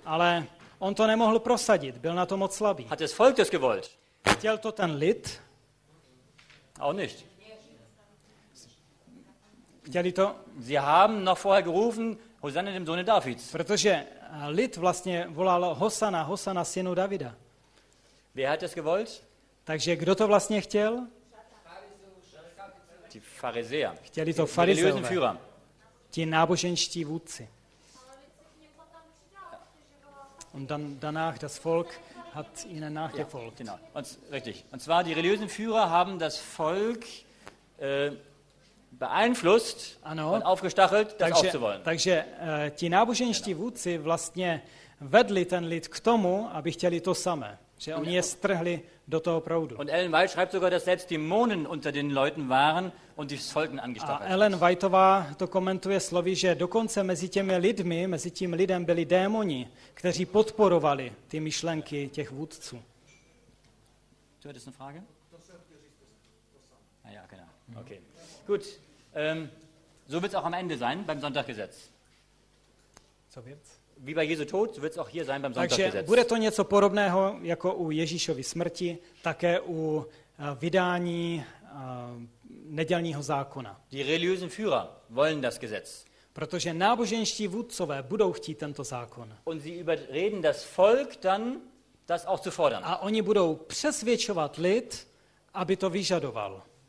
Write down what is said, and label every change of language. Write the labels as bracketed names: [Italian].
[Czech] Ale on to nemohl prosadit, byl na to moc slabý. [German] Hat das Volk das gewollt? [Czech] Chtěl to ten lid? [German] Auch nicht. [Czech] Chtěli to? [German] Sie haben noch vorher gerufen, Hosanna dem Sohne Davids. [Czech] Protože lid vlastně volal Hosanna synu Davida. [German] Wer hat das gewollt? [Czech] Takže kdo to vlastně chtěl? [German] Die Pharisäer. [Czech] Chtěli to Pharisäer. Ti náboženští vůdci. [German] Und dann danach das Volk hat ihnen nachgefolgt. Ja, genau. Und zwar die religiösen Führer haben das Volk beeinflusst, [Czech] ano, [German] und aufgestachelt, das [Czech] takže, [German] auch zu wollen. [Czech] Takže ti náboženští vůdci vlastně vedli ten lid k tomu, aby chtěli to samé, že oni je strhli do toho proudu. [German] Und Ellen White schreibt sogar, dass selbst Dämonen unter den Leuten waren und das Volk angestachelt. [Czech] A Ellen Whiteová to komentuje slovy, že dokonce mezi tím lidem byli démoni, kteří podporovali ty myšlenky těch vůdců. [German] Du hattest eine Frage? Ja, genau. Okay. Gut. So wird's auch am Ende sein beim Sonntagsgesetz. So wird's. Wie bei Jesu Tod wird es auch hier sein beim Sonntagsgesetz. [Czech] Takže bude to něco podobného jako u Ježíšovy smrti, také u vydání nedělního zákona. [German] Die religiösen Führer wollen das Gesetz. [Czech] Protože náboženští vůdcové budou chtít tento zákon. [German] Und sie überreden das Volk dann, das auch zu fordern. [Czech] A oni budou přesvědčovat lid, aby to vyžadoval.